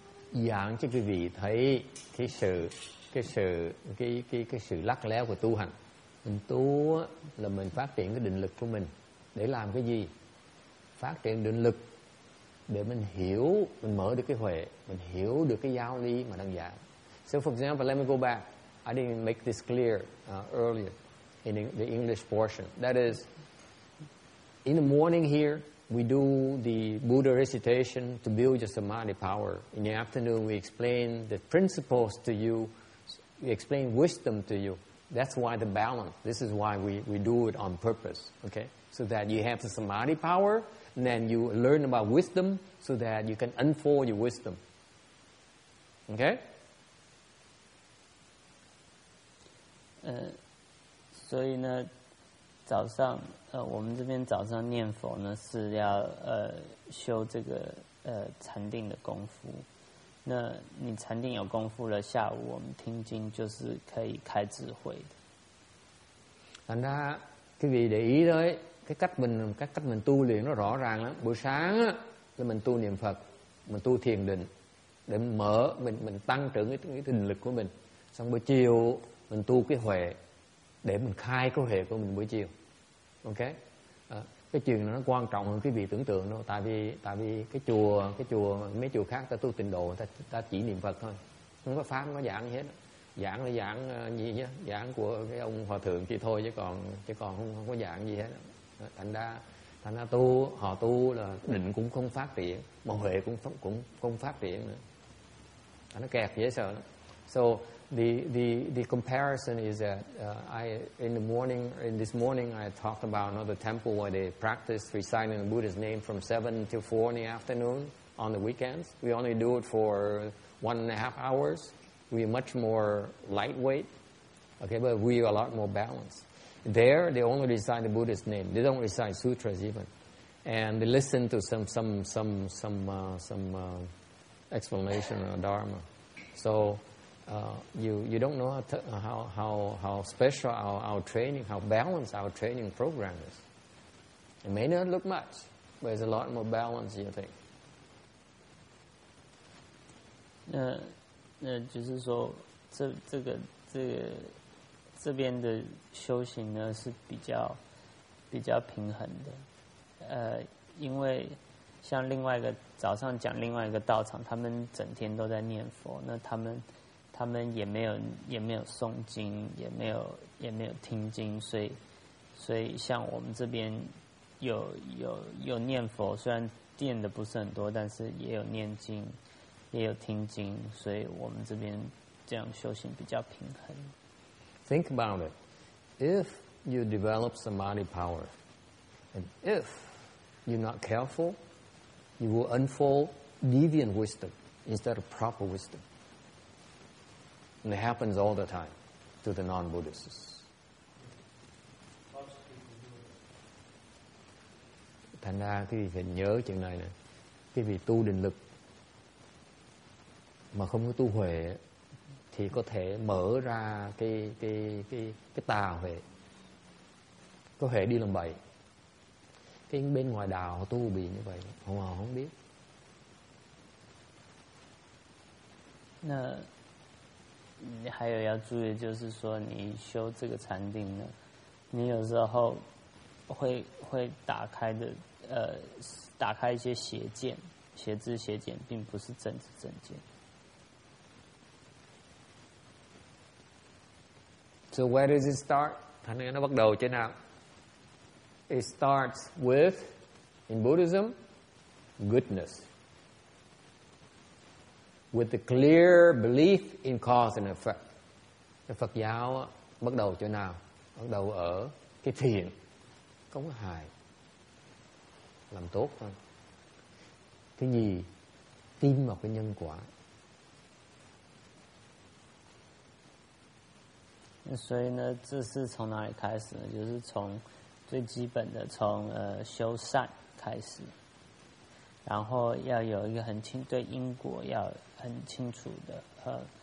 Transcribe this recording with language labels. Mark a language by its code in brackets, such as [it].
[vi] Giảng cho quý vị thấy cái sự lắc léo của tu hành. Mình tu là mình phát triển cái định lực của mình để làm cái gì? Phát triển định lực để mình hiểu, mình mở được cái huệ, mình hiểu được cái giáo lý mà đang giảng. [en] So for example, let me go back. I didn't make this clear earlier in the English portion. That is, in the morning here, we do the Buddha recitation to build your samadhi power. In the afternoon, we explain the principles to you, we explain wisdom to you. That's why the balance. This is why we do it on purpose, okay? So that you have the samadhi power, and then you learn about wisdom so that you can unfold your wisdom. Okay? [zh] 所以呢，早上我们这边早上念佛呢是要修这个禅定的功夫。那你禅定有功夫了，下午我们听经就是可以开智慧的。 [vi] Thành ra, quý vị để ý tới cái cách mình tu luyện nó rõ ràng lắm. Buổi sáng là mình tu niệm Phật, mình tu thiền định để mở mình tăng trưởng cái định lực của mình. Xong buổi chiều mình tu cái huệ để mình khai cái huệ của mình buổi chiều. Ok. Cái chuyện này nó quan trọng hơn cái việc tưởng tượng đâu, tại vì cái chùa mấy chùa khác ta tu tịnh độ, ta chỉ niệm Phật thôi. Không có pháp, không có giảng gì hết. Giảng là giảng gì nhá, giảng của cái ông hòa thượng kia thôi chứ còn không có giảng gì hết. Thành ra tu, họ tu là định cũng không phát triển, mà huệ cũng không phát triển nữa. Thành nó kẹt dễ sợ lắm. [en] So the comparison is that this morning I talked about another temple where they practice reciting the Buddha's name from 7 to 4 in the afternoon on the weekends. We only do it for 1.5 hours. We are much more lightweight, okay, but we are a lot more balanced. There they only recite the Buddha's name. They don't recite sutras even, and they listen to some explanation or dharma. So you don't know how special our training, how balanced our training program is. It may not look much, but it's a lot more balanced than you think. [zh] 那就是说，这边的修行呢是比较平衡的。因为像另外一个早上讲另外一个道场，他们整天都在念佛，那他们也没有诵经，也没有听经，所以像我们这边有念佛，虽然念的不是很多，但是也有念经，也有听经，所以我们这边这样修行比较平衡。 [en] Think about it. If you develop samadhi power, and if you're not careful, you will unfold deviant wisdom instead of proper wisdom. And it happens all the time to the non-Buddhists. Lots of people do it. [vi] Thành ra, quý vị phải nhớ chuyện này nè. Quý vị tu định lực mà không có tu huệ thì có thể mở ra cái tà huệ. Có huệ đi làm bậy. cái bên ngoài đào họ tu bị như vậy, họ không biết. [zh] 那还有要注意，就是说你修这个禅定呢，你有时候会打开的，打开一些邪见，邪知邪见，并不是正知正见。 [en] So where does it start? [vi] Thành ra nó bắt đầu trên nào? [en] It starts with, in Buddhism, goodness. With the clear belief in cause and effect. [vi] Phật giáo bắt đầu chỗ nào? Bắt đầu ở cái thiện, cống hài, làm tốt thôi. Thứ nhì, tin vào cái nhân quả. [zh] 所以呢，这是从哪里开始呢？就是从最基本的，从修善开始，然后要有一个很清对因果要很清楚的